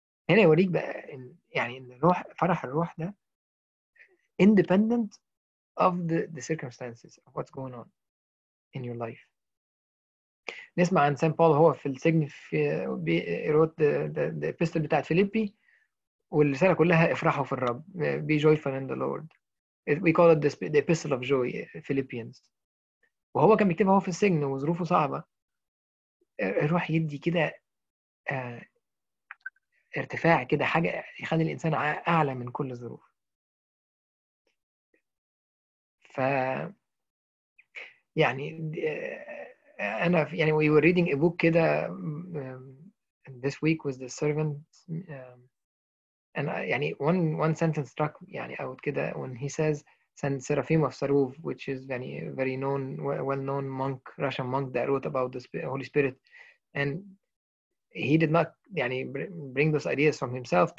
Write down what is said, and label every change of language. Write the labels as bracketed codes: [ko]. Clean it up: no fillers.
[ar] هنا يوريك بقى إن يعني إن الروح فرح الروح ده [en] independent of the circumstances of what's going on in your life. [ar] نسمع عن سان بول هو في السجن في [en] wrote the epistle [ar] بتاعت فيليبي والرسالة كلها افرحوا في الرب [en] be joyful in the Lord. We call it the epistle of joy Philippians. [ar] وهو كان بيكتبها هو في السجن وظروفه صعبة. الروح يدي كده ارتفاع كده حاجة يخلي الإنسان أعلى من كل الظروف. ف يعني أنا يعني [en] we were reading a book [ar] كده [en] this week with the servant and [ar] يعني [en] one sentence struck يعني out كده when he says San Seraphim of Sarov which is يعني very known well known monk Russian monk that wrote about the Holy Spirit and he did not يعني bring those ideas from himself.